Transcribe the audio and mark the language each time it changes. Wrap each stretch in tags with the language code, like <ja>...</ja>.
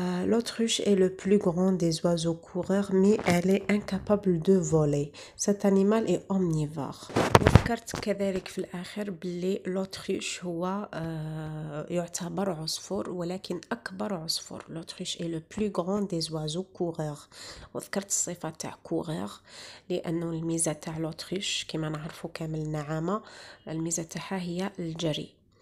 <fr>L'autruche est le plus grand des oiseaux coureurs, mais elle est incapable de voler. Cet animal est omnivore.</fr> <ar>ذكرت كذلك في الاخر بلي l'autruche هو يعتبر عصفور, ولكن اكبر عصفور.</ar> <fr>L'autruche est le plus grand des oiseaux coureurs.</fr> <ar>وذكرت الصفه تاع coureur لانه الميزه تاع l'autruche كما نعرفوا كامل النعامه, الميزه تاعها هي الجري.</ar>